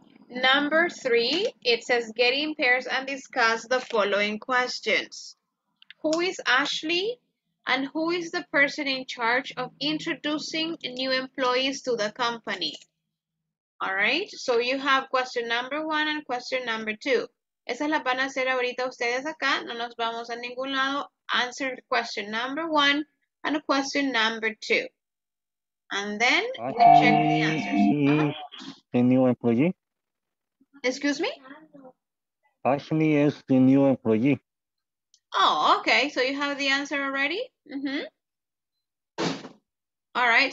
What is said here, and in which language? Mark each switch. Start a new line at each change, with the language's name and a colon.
English: Number three, it says get in pairs and discuss the following questions. Who is Ashley and who is the person in charge of introducing new employees to the company? All right. So you have question number one and question number two.
Spanish: Esas las van a hacer ahorita ustedes acá. No nos vamos a ningún lado.
English: Answer question number one and question number two. And then we check the answers. The new employee? Excuse me? Ashley is the new employee. Oh, okay. So you have the answer already? Mm-hmm. All right.